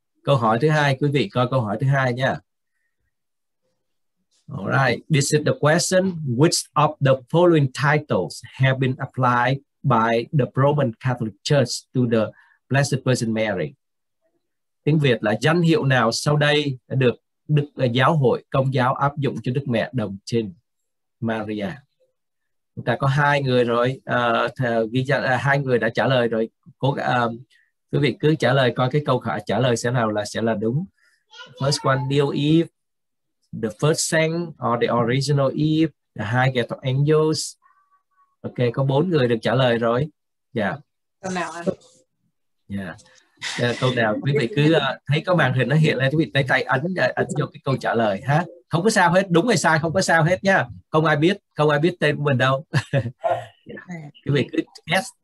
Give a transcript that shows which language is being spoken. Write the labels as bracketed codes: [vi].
[vi] Câu hỏi thứ hai, quý vị coi câu hỏi thứ hai nha. [en] All right, this is the question. Which of the following titles have been applied by the Roman Catholic Church to the Blessed Virgin Mary? [vi] Tiếng Việt là danh hiệu nào sau đây được Đức Giáo hội Công giáo áp dụng cho Đức Mẹ Đồng Trinh Maria? Chúng ta có hai người rồi, hai người đã trả lời rồi. Quý vị cứ trả lời coi cái câu hỏi trả lời sẽ là đúng. [en] First one, New Eve, the first saint or the original Eve, the high get of angels. [vi] Ok, có bốn người được trả lời rồi. Câu nào quý vị cứ thấy có màn hình nó hiện lên, quý vị tay ấn vô cái câu trả lời ha. Không có sao hết, đúng hay sai không có sao hết nha. Không ai biết tên của mình đâu. Quý vị cứ guess.